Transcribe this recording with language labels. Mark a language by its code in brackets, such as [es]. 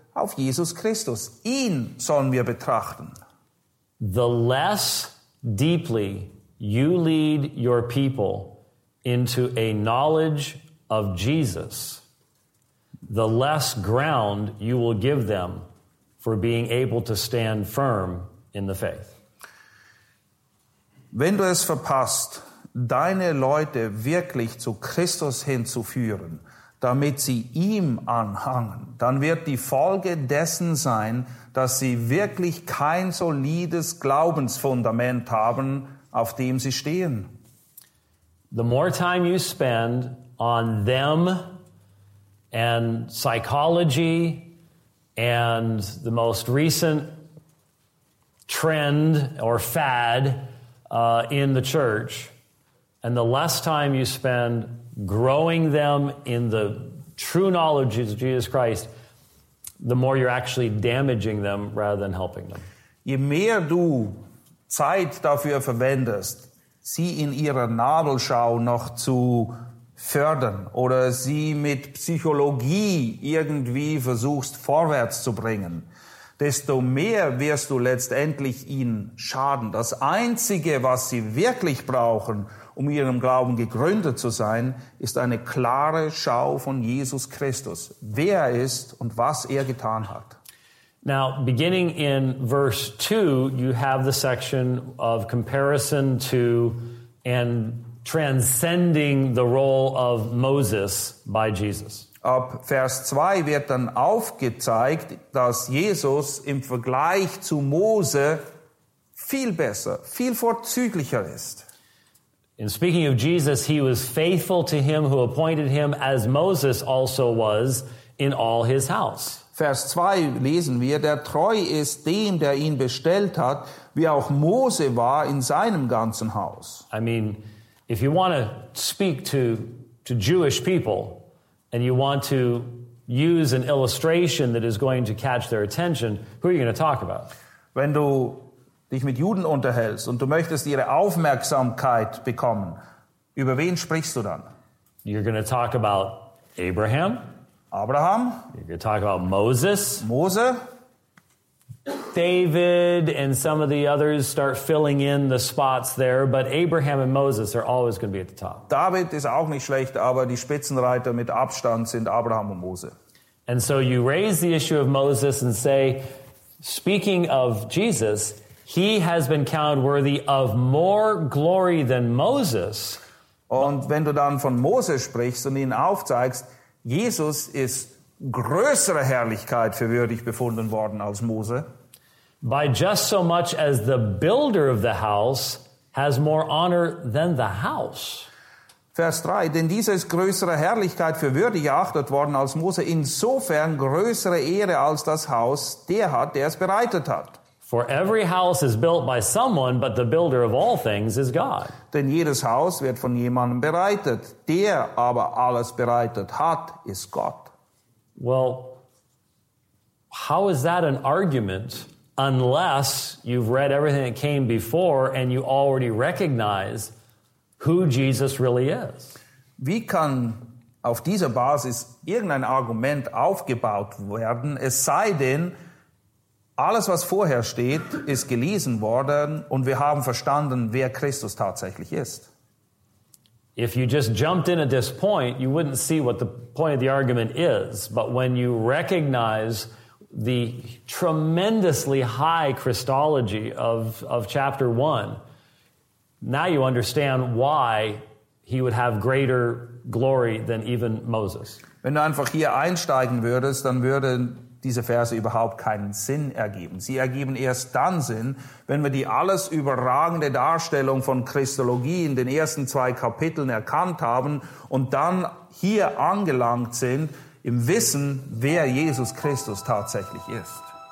[de] Auf Jesus Christus. Ihn sollen wir betrachten. [en] The less deeply you lead your people into a knowledge of Jesus, the less ground you will give them for being able to stand firm in the faith. [de] Wenn du es verpasst, deine Leute wirklich zu Christus hinzuführen, damit sie ihm anhangen, dann wird die Folge dessen sein, dass sie wirklich kein solides Glaubensfundament haben, auf dem sie stehen. [en] The more time you spend on them and psychology and the most recent trend or fad in the church, and the less time you spend growing them in the true knowledge of Jesus Christ, the more you're actually damaging them rather than helping them. [de] Je mehr du Zeit dafür verwendest, sie in ihrer Nabelschau noch zu fördern oder sie mit Psychologie irgendwie versuchst vorwärts zu bringen, desto mehr wirst du letztendlich ihnen schaden. Das Einzige, was sie wirklich brauchen, um ihrem Glauben gegründet zu sein, ist eine klare Schau von Jesus Christus, wer er ist und was er getan hat. [en] Now, beginning in verse 2, you have the section of comparison to and transcending the role of Moses by Jesus. [de] Ab Vers 2 wird dann aufgezeigt, dass Jesus im Vergleich zu Mose viel besser, viel vorzüglicher ist. [en] In speaking of Jesus, he was faithful to him who appointed him, as Moses also was in all his house. [de] Vers 2 lesen wir, der treu ist dem, der ihn bestellt hat, wie auch Mose war in seinem ganzen Haus. [en] I mean, if you want to speak to Jewish people, and you want to use an illustration that is going to catch their attention, who are you going to talk about? [de] Wenn du dich mit Juden unterhältst und du möchtest ihre Aufmerksamkeit bekommen, über wen sprichst du dann? [en] You're going to talk about Abraham. [de] Abraham. [en] You're going to talk about Moses. [de] Mose. [en] David and some of the others start filling in the spots there, but Abraham and Moses are always going to be at the top. [de] David ist auch nicht schlecht, aber die Spitzenreiter mit Abstand sind Abraham und Mose. [en] And so you raise the issue of Moses and say, speaking of Jesus, he has been counted worthy of more glory than Moses. [de] Und wenn du dann von Moses sprichst und ihn aufzeigst, Jesus ist größere Herrlichkeit für würdig befunden worden als Mose. [en] By just so much as the builder of the house has more honor than the house. [de] Vers 3, denn dieser ist größere Herrlichkeit für würdig erachtet worden als Mose, insofern größere Ehre als das Haus, der hat, der es bereitet hat. [en] For every house is built by someone, but the builder of all things is God. [de] Denn jedes Haus wird von jemandem bereitet, der aber alles bereitet hat, ist Gott. [en] Well, how is that an argument unless you've read everything that came before and you already recognize who Jesus really is? [de] Wie kann auf dieser Basis irgendein Argument aufgebaut werden, es sei denn, alles, was vorher steht, ist gelesen worden und wir haben verstanden, wer Christus tatsächlich ist. [en] If you just jumped in at this point, you wouldn't see what the point of the argument is. But when you recognize the tremendously high Christology of chapter 1, now you understand why he would have greater glory than even Moses. [de] Wenn du einfach hier einsteigen würdest, dann würde diese Verse überhaupt keinen Sinn ergeben. Sie ergeben erst dann Sinn, wenn wir die alles überragende Darstellung von Christologie in den ersten zwei Kapiteln erkannt haben und dann hier angelangt sind im Wissen, wer Jesus Christus tatsächlich ist.